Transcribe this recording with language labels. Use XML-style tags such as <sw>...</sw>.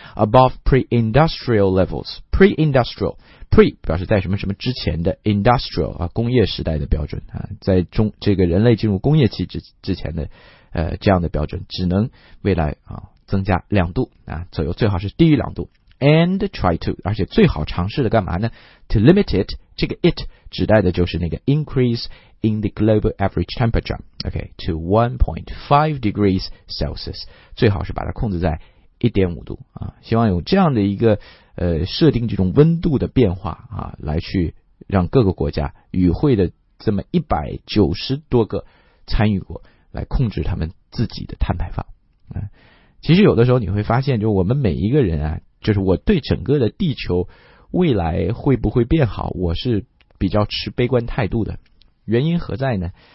<en>Above pre-industrial levels， pre-industrial，</en> <zh>pre 表示在什么什么之前的 industrial 啊，工业时代的标准啊，在中这个人类进入工业期之前的这样的标准，只能未来啊增加两度啊左右，最好是低于两度。</zh> <en>And try to，</en> <zh>而且最好尝试的干嘛呢 ？</zh> <en>To limit it，</en> <zh>这个 it 指代的就是那个</zh> <en>increase in the global average temperature，</en> <zh>OK，</zh> <en>to 1.5 degrees Celsius，</en> <zh>最好是把它控制在 1.5 度啊。希望有这样的一个设定这种温度的变化啊，来去让各个国家与会的这么190多个参与国来控制他们自己的碳排放啊。其实有的时候你会发现，就我们每一个人啊。就是我对整个的地球未来会不会变好，我是比较持悲观态度的。原因何在呢？</zh>